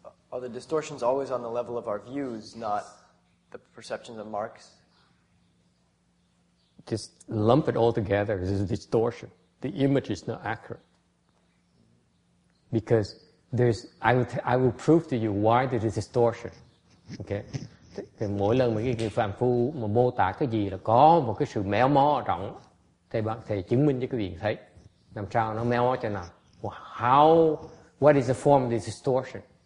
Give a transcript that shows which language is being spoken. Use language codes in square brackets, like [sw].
[en] Are the distortions always on the level of our views, not the perceptions of marks? Just lump it all together. This is a distortion. The image is not accurate. Because there's, I will prove to you why there is a distortion. Okay? [vi] Thì mỗi lần mà cái người phàm phu mà mô tả cái gì là có một cái sự méo mó ở trong, thầy chứng minh cho quý vị thấy. Làm sao nó méo mó cho nào? [en] Well, how, what is the form of this distortion?